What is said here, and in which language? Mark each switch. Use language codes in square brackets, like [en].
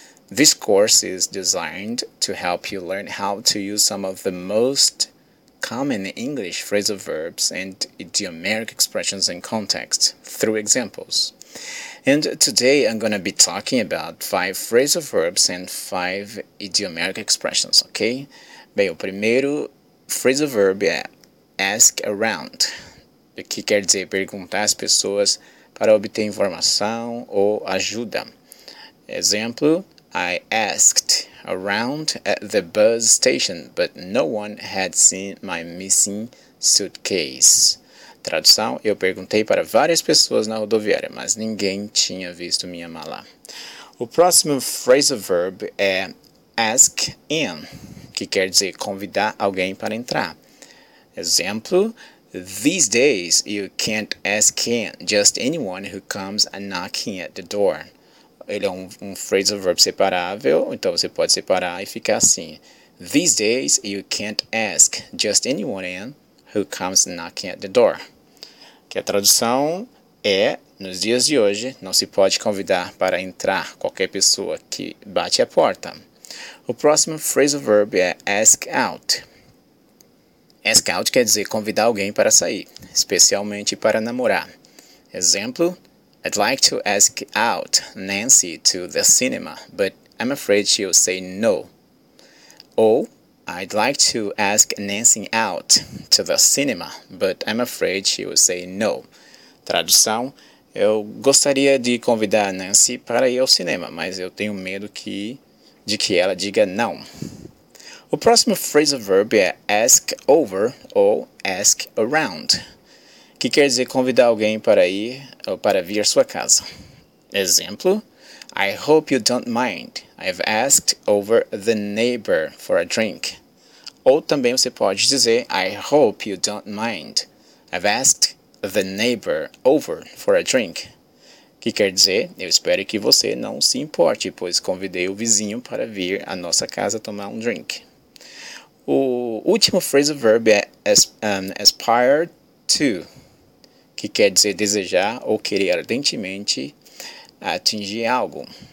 [en] This course is designed to help you learn how to use some of the most common English phrasal verbs and idiomatic expressions in context through examples. And today I'm going to be talking about 5 phrasal verbs and 5 idiomatic expressions, okay? [pt] Bem, o primeiro phrasal verb é ask around, o que quer dizer perguntar às pessoas para obter informação ou ajuda. [en] Exemplo, I asked around at the bus station, but no one had seen my missing suitcase. [pt] Tradução, eu perguntei para várias pessoas na rodoviária, mas ninguém tinha visto minha mala. O próximo phrasal verb é ask in, que quer dizer convidar alguém para entrar. [en] Exemplo, these days you can't ask in just anyone who comes a knocking at the door. [pt] Ele é um phrasal verb separável, então você pode separar e ficar assim. [en] These days you can't ask just anyone in who comes knocking at the door. [pt] Que a tradução é, nos dias de hoje, não se pode convidar para entrar qualquer pessoa que bate a porta. O próximo phrasal verb é ask out. Ask out quer dizer convidar alguém para sair, especialmente para namorar. [en] Exemplo, I'd like to ask out Nancy to the cinema, but I'm afraid she'll say no. Ou, I'd like to ask Nancy out to the cinema, but I'm afraid she'll say no. [pt] Tradução, eu gostaria de convidar a Nancy para ir ao cinema, mas eu tenho medo de que ela diga não. O próximo phrasal verb é ask over ou ask around, que quer dizer convidar alguém para ir ou para vir à sua casa. [en] Exemplo, I hope you don't mind. I've asked over the neighbor for a drink. [pt] Ou também você pode dizer, [en] I hope you don't mind. I've asked the neighbor over for a drink. [pt] Que quer dizer, eu espero que você não se importe, pois convidei o vizinho para vir à nossa casa tomar um drink. O último phrasal verb é aspire to, que quer dizer desejar ou querer ardentemente atingir algo.